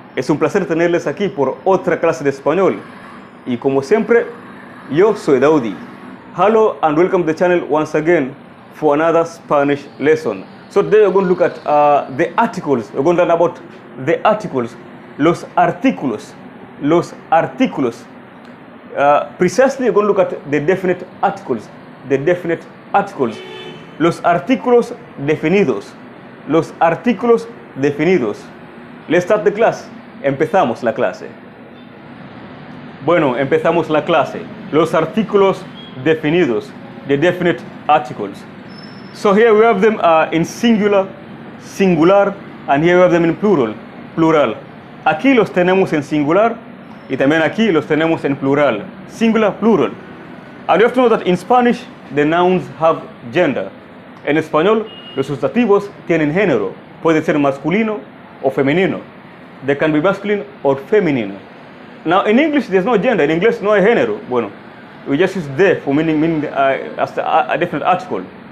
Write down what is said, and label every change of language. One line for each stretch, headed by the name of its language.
Spanish: Es un placer tenerles aquí por otra clase de español. Y como siempre, yo soy Daudi.
English: Hello and welcome to the channel once again for another Spanish lesson. So today we're going to look at the articles. We're going to learn about the articles,
Spanish: los artículos, los artículos.
English: Precisely, we're going to look at the definite articles, the definite articles,
Spanish: los artículos definidos, los artículos definidos.
English: Let's start the class.
Spanish: Empezamos la clase. Bueno, empezamos la clase. Los artículos definidos,
English: the definite articles. So here we have them in singular, singular, and here we have them in plural, plural.
Spanish: Aquí los tenemos en singular, y también aquí los tenemos en plural, singular, plural.
English: And you have to know that in Spanish, the nouns have gender.
Spanish: En español, los sustantivos tienen género. Puede ser masculino o femenino.
English: They can be masculine or feminine. Now, in English, there's no gender. In English,
Spanish: no hay género. Bueno,
English: we just use de for meaning as a different article.